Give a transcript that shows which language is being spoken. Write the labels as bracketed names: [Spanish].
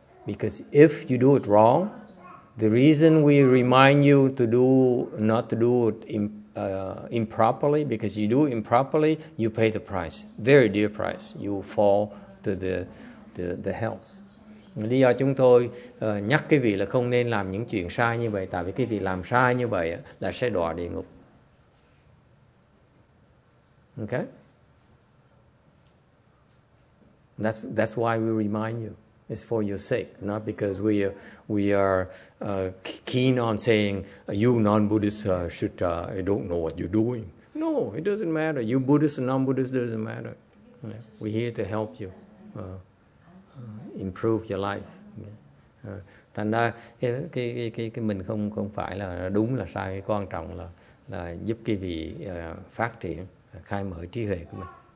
[English] Because if you do it wrong, the reason we remind you not to do it improperly, because you do it improperly, you pay the price, very dear price. You will fall to the hells. [Vietnamese] Lý do chúng tôi nhắc cái vị là không nên làm những chuyện sai như vậy, tại vì cái vị làm sai như vậy là sẽ đọa địa ngục. [English] Okay? That's why we remind you. It's for your sake, not because we are keen on saying you non-Buddhists don't know what you're doing. No, it doesn't matter. You Buddhist or non-Buddhist doesn't matter. Yeah. We're here to help you improve your life. [Vietnamese] Thành ra cái mình không phải là đúng là sai. Cái quan trọng là giúp cái vị phát triển, khai mở trí huệ của mình.